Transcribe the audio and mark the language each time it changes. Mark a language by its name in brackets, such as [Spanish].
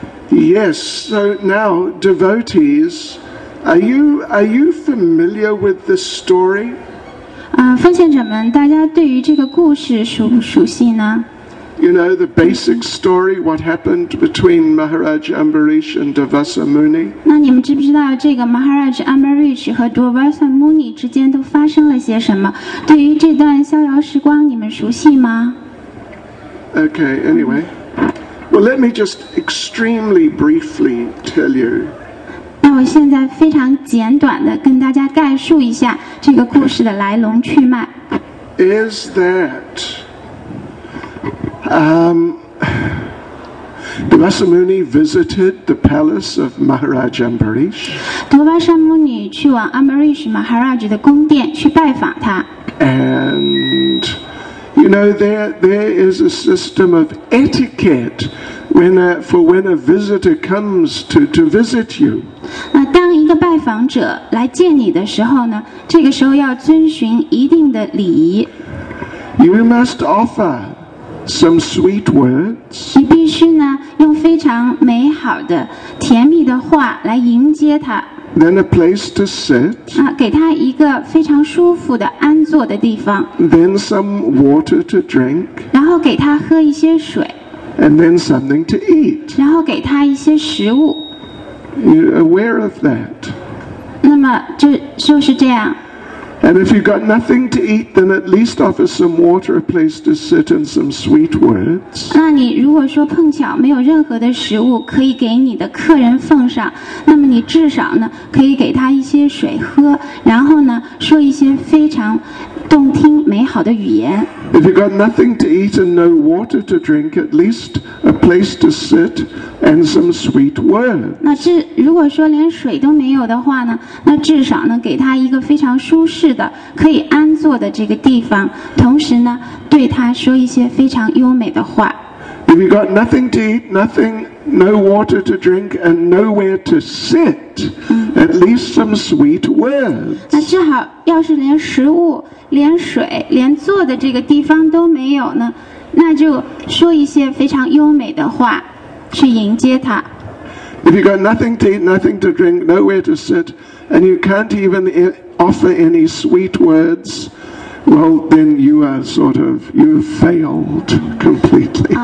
[English] Yes, so now, devotees, are you familiar with this story? [Chinese] 奉献者们，大家对于这个故事熟悉呢？ [English] You know the basic story, what happened between Maharaj Ambarish and Durvasa Muni? [Chinese] 那你们知不知道这个 Maharaj Ambarish 和 Durvasa Muni 之间都发生了些什么？对于这段逍遥时光，你们熟悉吗？ [English] Okay, anyway. Well, let me just extremely briefly tell you. [Chinese] 那我现在非常简短的跟大家概述一下这个故事的来龙去脉。 [English] Is that... Durvasa Muni visited the palace of Maharaj Ambarish. [Chinese] Durvasa Muni 去往 Ambarish Maharaj 的宫殿去拜访他。 [English] And you know there is a system of etiquette when a visitor comes to visit you. [Chinese] 那当一个拜访者来见你的时候呢，这个时候要遵循一定的礼仪。 [English] You must offer. Some sweet words. [Chinese] 你必须呢用非常美好的甜蜜的话来迎接他。 [English] Then a place to sit. [Chinese] 啊，给他一个非常舒服的安坐的地方。 [English] Then some water to drink. [Chinese] 然后给他喝一些水。 [English] And then something to eat. [Chinese] 然后给他一些食物。 [English] You're aware of that. [Chinese] 那么就是这样。 [English] And if you've got nothing to eat, then at least offer some water, a place to sit, and some sweet words. [Chinese] 那你如果说碰巧没有任何的食物可以给你的客人奉上，那么你至少呢可以给他一些水喝，然后呢说一些非常动听美好的语言。 [English] If you've got nothing to eat and no water to drink, at least a place to sit and some sweet words. [Chinese] 那至如果说连水都没有的话呢，那至少呢给他一个非常舒适。是的，可以安坐的这个地方，同时呢，对他说一些非常优美的话。 [English] If you got nothing to eat, nothing, no water to drink, and nowhere to sit, at least some sweet words. [Chinese] 那至少要是连食物、连水、连坐的这个地方都没有呢，那就说一些非常优美的话，去迎接他。 [English] If you got nothing to eat, nothing to drink, nowhere to sit, and you can't even eat,offer any sweet words, well, then you are sort of, you failed completely.